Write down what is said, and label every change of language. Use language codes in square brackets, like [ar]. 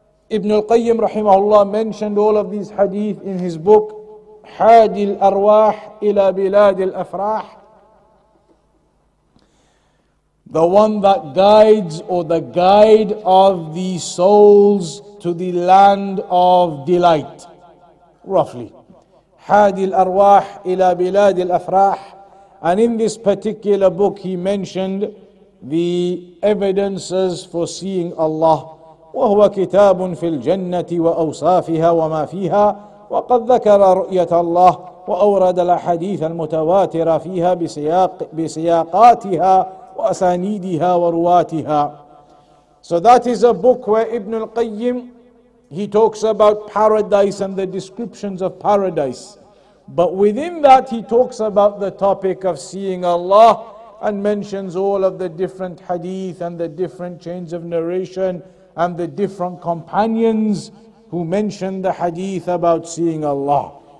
[en] Ibn al-Qayyim [ar] رَحِمَهُ اللَّهُ [en] mentioned all of these hadith in his book حادي الأرواح إلى بلاد الأفراح. The one that guides, or the guide of the souls to the land of delight, roughly. [ar] حادي الأرواح إلى بلاد الأفراح. [en] And in this particular book he mentioned the evidences for seeing Allah. [ar] وهو كتاب في الجنة وأوصافها وما فيها وقد ذكر رؤية الله وأورد الأحاديث المتواترة فيها بسياقاتها وأسانيدها ورواتها. [en] So that is a book where Ibn al-Qayyim, he talks about paradise and the descriptions of paradise. But within that he talks about the topic of seeing Allah and mentions all of the different hadith and the different chains of narration and the different companions who mentioned the hadith about seeing Allah.